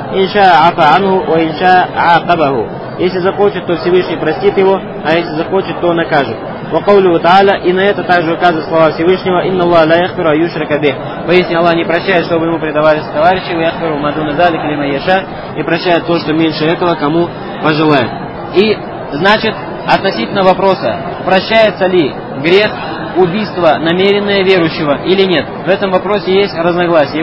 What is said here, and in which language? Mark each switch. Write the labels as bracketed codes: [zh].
[ar] Иншаа афа анху, ва иншаа аакабаху. [ru] Если захочет, то Всевышний простит его, а если захочет, то накажет. [ar] وقوله تعالى إن [ru] это также указывает слова Всевышнего [ar] إن الله لا يغفر أن يشرك به. [ru] Поистине Аллах не прощает, чтобы ему предавались товарищи, и [ar] يغفر ما دون ذلك لمن يشاء, [ru] и прощает то, что меньше этого, кому пожелает. И значит, относительно вопроса, прощается ли грех убийства намеренное верующего или нет, в этом вопросе есть разногласие.